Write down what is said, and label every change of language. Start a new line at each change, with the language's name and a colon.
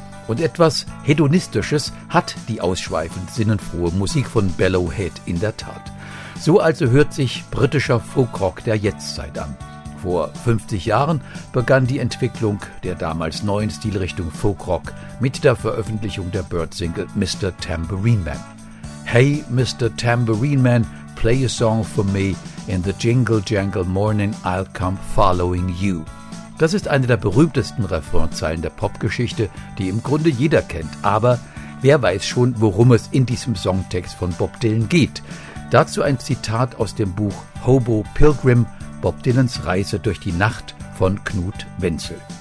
German: Und etwas Hedonistisches hat die ausschweifend sinnenfrohe Musik von Bellowhead in der Tat. So also hört sich britischer Folkrock der Jetztzeit an. Vor 50 Jahren begann die Entwicklung der damals neuen Stilrichtung Folkrock mit der Veröffentlichung der Byrds-Single Mr.
English: Tambourine Man. Hey, Mr. Tambourine Man, play a song for me in the jingle jangle morning, I'll come following you.
German: Das ist eine der berühmtesten Refrainzeilen der Popgeschichte, die im Grunde jeder kennt. Aber wer weiß schon, worum es in diesem Songtext von Bob Dylan geht? Dazu ein Zitat aus dem Buch Hobo Pilgrim, Bob Dylans Reise durch die Nacht von Knut Wenzel.